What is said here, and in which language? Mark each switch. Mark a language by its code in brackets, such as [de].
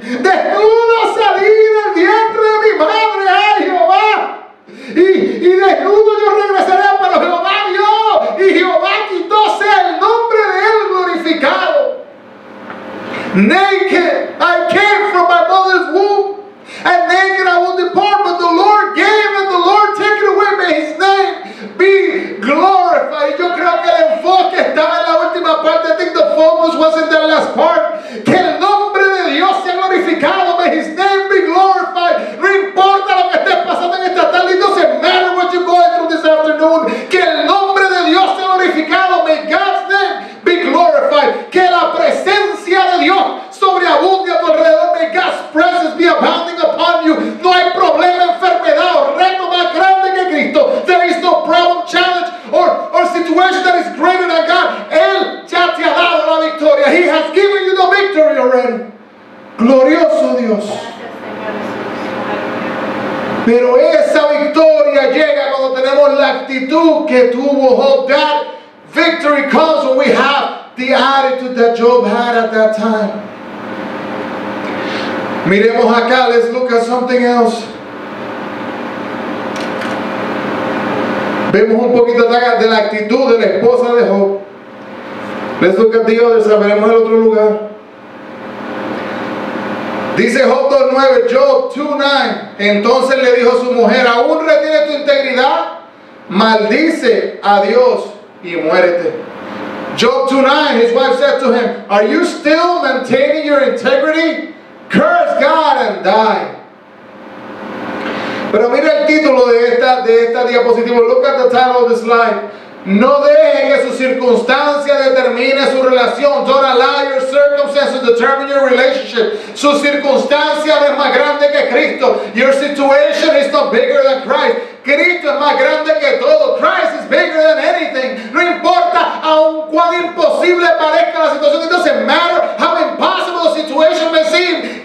[es] Desnudo salí del vientre de mi madre, ay Jehová, y desnudo yo regresaré, pero Jehová dio y Jehová quitó, sea el nombre de él glorificado. [en] Naked I came from my mother's womb, and naked I will depart, but the Lord gave and the Lord took it away. May his name be glorified. [es] Yo creo que el enfoque estaba en la última parte. [en] I think the focus was in the last part. [es] Que el nombre de Dios sea glorificado. [en] May his name be glorified. [es] No importa lo que esté pasando en esta tarde. [en] It doesn't matter what you're going through this afternoon. [es] Que el nombre de Dios sea glorificado. [en] May God's name be glorified. [es] Que la presencia de Dios sobreabunde a tu alrededor. [en] May God's presence be abounding upon you. [es] No hay problema, enfermedad o reto más grande que Cristo. [en] There is no problem, challenge or situation that is greater than God. [es] Él ya te ha dado la victoria. [en] He has given you the victory already. [es] Glorioso Dios. Pero esa victoria llega cuando tenemos la actitud que tuvo Job. [en] That victory comes when we have the attitude that Job had at that time. [es] Miremos acá, [en] let's look at something else. [es] Vemos un poquito acá de la actitud de la esposa de Job. [en] Let's look at the other side, [es] veremos el otro lugar. Dice Job 2:9, entonces le dijo a su mujer, aún retiene tu integridad, maldice a Dios y muérete. [en] Job 2:9, his wife said to him, are you still maintaining your integrity? Curse God and die. [es] Pero mira el título de esta diapositiva, [en] look at the title of the slide. [es] No deje que su circunstancia determine su relación. [en] Don't allow your circumstances to determine your relationship. [es] Su circunstancia no es más grande que Cristo. [en] Your situation is not bigger than Christ. [es] Cristo es más grande que todo. [en] Christ is bigger than anything. [es] No importa aun cuán imposible parezca la situación. [en] It doesn't matter how impossible the situation may seem.